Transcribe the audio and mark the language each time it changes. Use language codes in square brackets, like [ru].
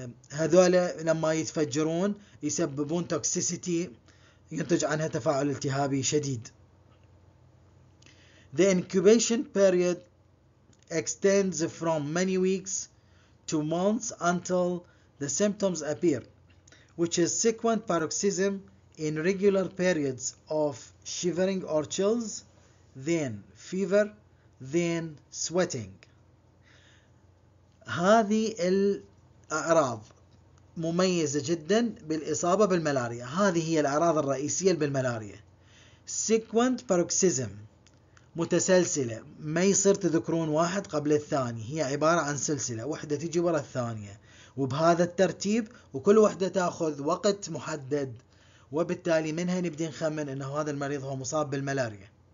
[ar] هذول لما يتفجرون يسببون توكسيسيتي، ينتج عنها تفاعل التهابي شديد. [en] The incubation period extends from many weeks to months until the symptoms appear, which is sequent paroxysm in regular periods of shivering or chills, then fever, then sweating. [ar] هذه الأعراض مميزة جدا بالإصابة بالملاريا، هذه هي الأعراض الرئيسية بالملاريا. Sequent paroxysm، متسلسلة، ما يصير تذكرون واحد قبل الثاني، هي عبارة عن سلسلة، وحدة تجي وراء الثانية وبهذا الترتيب، وكل وحدة تأخذ وقت محدد، وبالتالي منها نبدأ نخمن أنه هذا المريض هو مصاب بالملاريا.